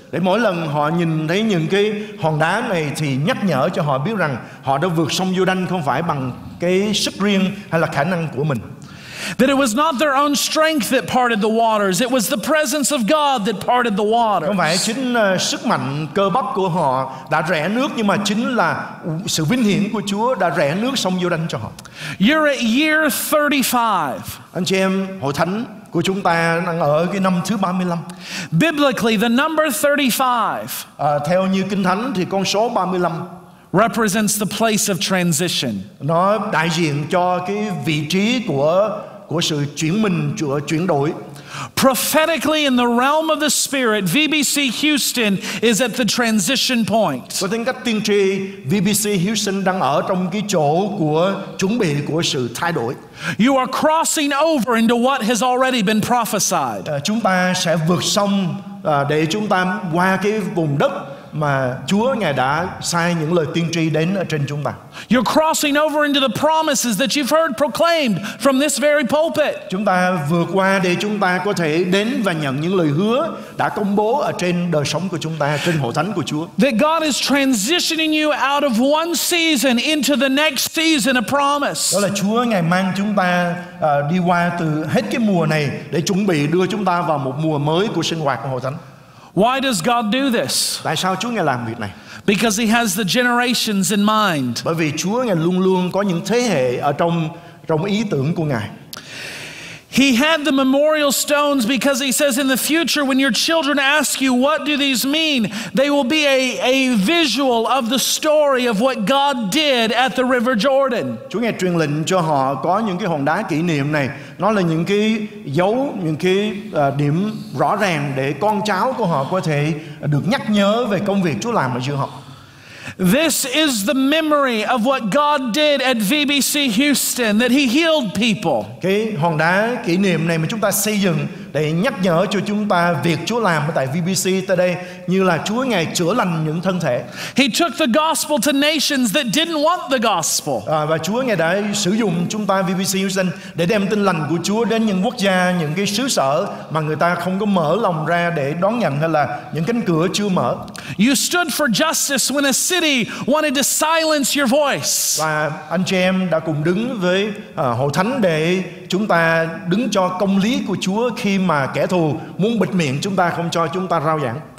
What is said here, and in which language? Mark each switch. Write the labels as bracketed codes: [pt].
[vi] Để mỗi lần họ nhìn thấy những cái hòn đá này thì nhắc nhở cho họ biết rằng họ đã vượt sông Giô-đanh không phải bằng cái sức riêng hay là khả năng của mình. [en] That it was not their own strength that parted the waters; it was the presence of God that parted the waters. [vi] Không phải chính sức mạnh cơ bắp của họ đã rẽ nước, nhưng mà chính là sự vinh hiển của Chúa đã rẽ nước sông Giô-đanh cho họ. [en] You're at year 35. [vi] Anh chị em, hội thánh của chúng ta đang ở cái năm thứ 35. [en] Biblically, the number 35. [vi] Theo như kinh thánh thì con số 35 [en] represents the place of transition. [vi] Nó đại diện cho cái vị trí của sự chuyển mình, của chuyển đổi. [en] Prophetically, in the realm of the spirit, VBC Houston is at the transition point. [vi] Có tính cách tiên tri, VBC Houston đang ở trong cái chỗ của chuẩn bị của sự thay đổi. [en] You are crossing over into what has already been prophesied. [vi] Chúng ta sẽ vượt sông để chúng ta qua cái vùng đất mà Chúa Ngài đã sai những lời tiên tri đến ở trên chúng ta. [en] You're crossing over into the promises that you've heard proclaimed from this very pulpit. [vi] Chúng ta vượt qua để chúng ta có thể đến và nhận những lời hứa đã công bố ở trên đời sống của chúng ta, trên hội thánh của Chúa. [en] That God is transitioning you out of one season into the next season of promise. [vi] Đó là Chúa Ngài mang chúng ta đi qua từ hết cái mùa này để chuẩn bị đưa chúng ta vào một mùa mới của sinh hoạt của hội thánh. [en] Why does God do this? [vi] Tại sao Chúa Ngài làm việc này? [en] Because he has the generations in mind. [vi] Bởi vì Chúa Ngài luôn luôn có những thế hệ ở trong ý tưởng của Ngài. [en] He had the memorial stones because he says in the future when your children ask you what do these mean, they will be a visual of the story of what God did at the River Jordan. [vi] Chúa Ngài truyền lệnh cho họ có những cái hòn đá kỷ niệm này, nó là những cái dấu, những cái điểm rõ ràng để con cháu của họ có thể được nhắc nhớ về công việc Chúa làm ở giữa họ. [en] This is the memory of what God did at VBC Houston, that he healed people. [vi] Cái hòn đá kỷ niệm này mà chúng ta xây dựng để nhắc nhở cho chúng ta việc Chúa làm tại VBC tại đây như là Chúa Ngài chữa lành những thân thể. [en] He took the gospel to nations that didn't want the gospel. [vi] Và Chúa Ngài đã sử dụng chúng ta VBC Houston để đem tin lành của Chúa đến những quốc gia, những cái xứ sở mà người ta không có mở lòng ra để đón nhận hay là những cánh cửa chưa mở. [en] You stood for justice when a city wanted to silence your voice. [vi] Và anh chị em đã cùng đứng với hội thánh để chúng ta đứng cho công lý của Chúa khi mà kẻ thù muốn bịt miệng chúng ta, không cho chúng ta rao giảng.